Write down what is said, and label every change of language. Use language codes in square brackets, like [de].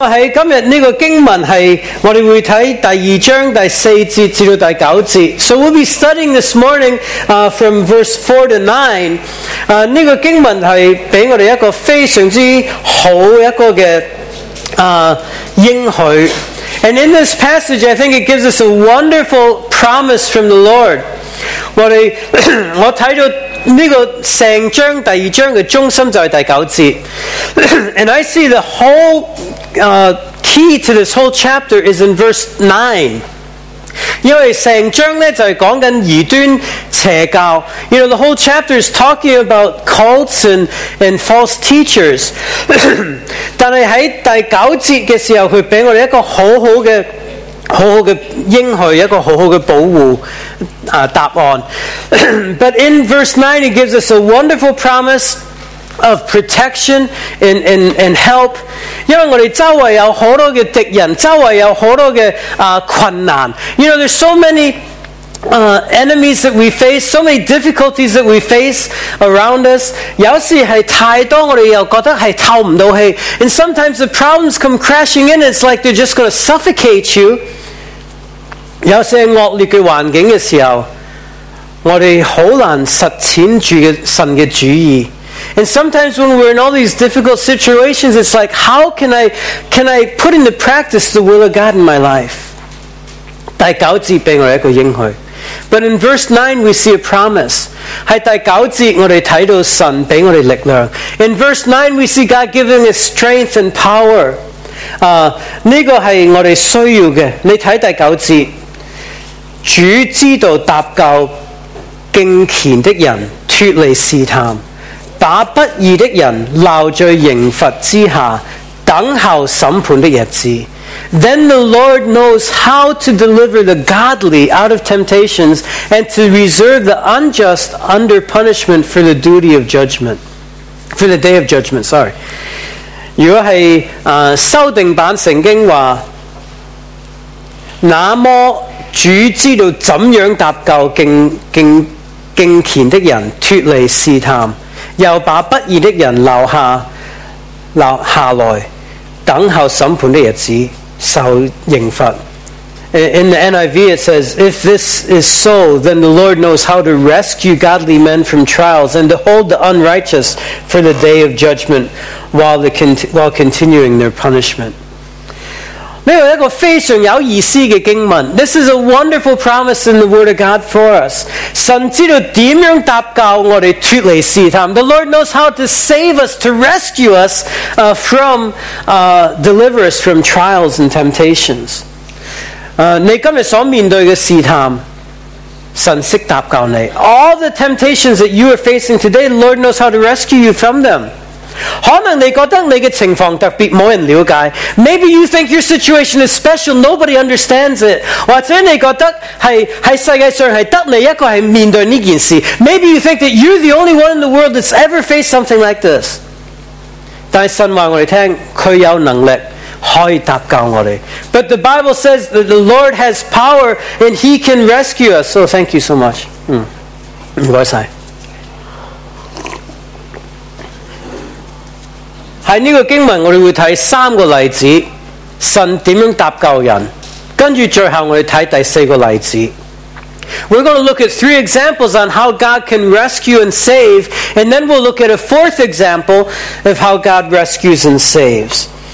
[zh] 在今天这个经文是我们会看第二章第四节至第九节。 [en] So we'll be studying this morning, from verse 4 to 9. [zh] 这个经文是给我们一个非常之好一个的应许。 [en] And in this passage, I think it gives us a wonderful promise from the Lord. [zh] 我看到这个整章第二章的中心就是第九节。 [en] And I see the whole key to this whole chapter is in verse 9. [zh] 因为整章就是讲着异端邪教。 [en] You know, the whole chapter is talking about cults and false teachers. [zh] 但是在第九节的时候他给我们一个很好的好好的应许一个好好的保护答案。 [en] But in verse 9, he gives us a wonderful promise of protection and help. [zh] 因为我们周围有很多的敌人，周围有很多的困难。 [en] You know, there's so many enemies that we face, so many difficulties that we face around us. [zh] 有时是太多，我们又觉得是透不到气。 [en] And sometimes the problems come crashing in, it's like they're just going to suffocate you. [zh] 有些恶劣的环境的时候，我们很难实践主的神的旨意。 [en] And sometimes when we're in all these difficult situations, it's like, how can I put into practice the will of God in my life? [zh] 第九节给我们一个应许。 [en] But in verse 9, we see a promise. [zh] 在第九节我们看到神给我们力量。 [en] In verse 9, we see God giving us strength and power. [zh] 这个是我们需要的。你看第九节。主知道搭救敬虔的人脱离试探，打不义的人闹在刑罚之下，等候审判的日子。 [en] Then the Lord knows how to deliver the godly out of temptations and to reserve the unjust under punishment for the duty of judgment, for the day of judgment, sorry. [zh] 如果是修订版圣经话，那么主知道怎样搭救敬虔的人脱离试探，又把不义的人留下来等候审判的日子受刑罚。 [en] In the NIV it says, if this is so, then the Lord knows how to rescue godly men from trials and to hold the unrighteous for the day of judgment while continuing their punishment. [zh] 这是一个非常有意思的经文。 [en] This is a wonderful promise in the Word of God for us. [zh] 神知道怎样搭救我们脱离试探。 [en] The Lord knows how to save us, to rescue us, deliver us from trials and temptations. [zh] 你今天所面对的试探，神识搭救你。 [en] All the temptations that you are facing today, the Lord knows how to rescue you from them. [zh] 可能你觉得你的情况特别没人了解。 [en] Maybe you think your situation is special, nobody understands it. [zh] 或者你觉得在世界上是得你一个是面对这件事。 [en] Maybe you think that you're the only one in the world that's ever faced something like this. [zh] 但是神告诉我们，祂有能力可以搭救我们。 [en] But the Bible says that the Lord has power and He can rescue us. So thank you so much. [zh] 谢谢。在这个经文我们会看三个例子，神怎样搭救人，跟着最后我们看第四个例子。 [en] We're going to look at three examples on how God can rescue and save, and then we'll look at a fourth example of how God rescues and saves.